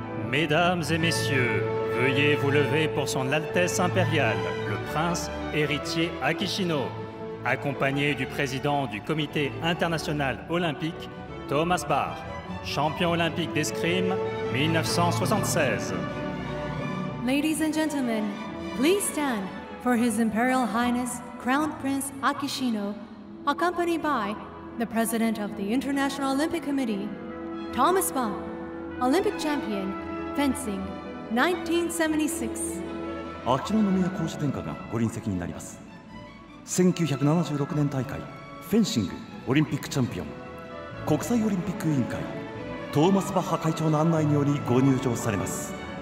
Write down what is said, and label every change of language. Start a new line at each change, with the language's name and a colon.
French: Mesdames et messieurs, veuillez vous lever pour Son Altesse impériale, le prince héritier Akishino, accompagné du président du Comité international olympique, Thomas Barr, champion olympique d'escrime 1976.
English: Ladies and gentlemen, please stand for His Imperial Highness, Crown Prince Akishino, accompanied by the President of the International Olympic Committee, Thomas Barr, Olympic champion, fencing, 1976.
Japanese: 秋宮皇嗣殿下がご臨席になります。1976年大会、フェンシングオリンピックチャンピオン、国際オリンピック委員会、トーマス・バッハ会長の案内によりご入場されます。